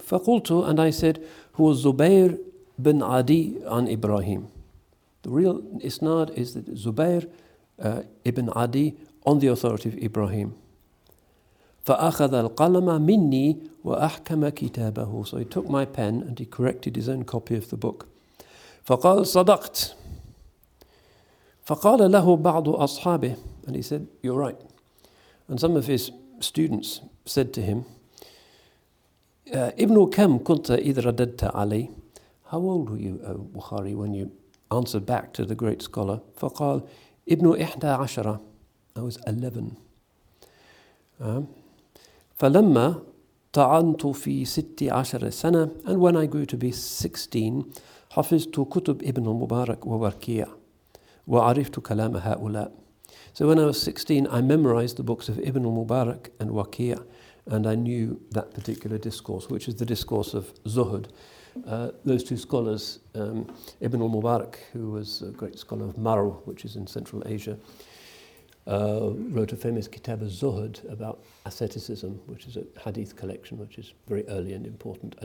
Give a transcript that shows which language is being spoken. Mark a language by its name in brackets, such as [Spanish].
[Arabic] فقلتُ [English] and I said, [Arabic] هو زبير بن عدي عن إبراهيم. [English] The real isnad is that زبير ابن عدي on the authority of Ibrahim. [Arabic] فأخذ القلم مني وأحكم كتابه. [English] So he took my pen and he corrected his own copy of the book. [Arabic] فقال صدقت. فقال له بعض أصحابه. [English] And he said, you're right. And some of his students said to him, [Arabic] Ibn Kam kunta idradadta Ali. [English] How old were you, O Bukhari, when you answered back to the great scholar, [Arabic] فقال ابن إحدى عشرة, [English] I was 11. [Arabic] فلما تعنت في ست عشر سنة, [English] and when I grew to be 16, [Arabic] حفظت كتب ابن المبارك ووركيع, وعرفت كلام هؤلاء. [English] So when I was 16, I memorized the books of Ibn al-Mubarak and Waqi', and I knew that particular discourse, which is the discourse of Zuhud. Those two scholars, Ibn al-Mubarak, who was a great scholar of Marw, which is in Central Asia, wrote a famous kitab of Zuhud about asceticism, which is a hadith collection, which is very early and important.